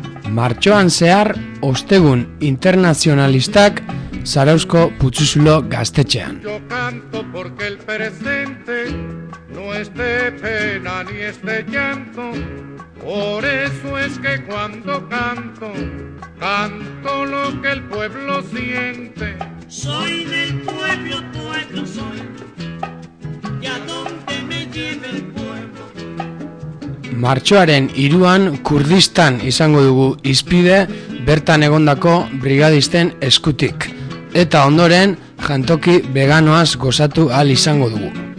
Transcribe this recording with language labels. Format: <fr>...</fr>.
<eu>Martxoan zehar, ostegun internazionalistak Zarauzko Putzuzulo Gaztetxean.</eu> <es>Yo canto porque el presente no esté pena ni esté llanto. Por eso es que cuando canto, canto lo que el pueblo siente. Soy del pueblo, pueblo soy, y a donde me lleve el pueblo.</es> <eu>Martxoaren 3an Kurdistan izango dugu izpide bertan egondako brigadisten eskutik. Eta ondoren jantoki veganoaz gozatu ahal izango dugu.</eu>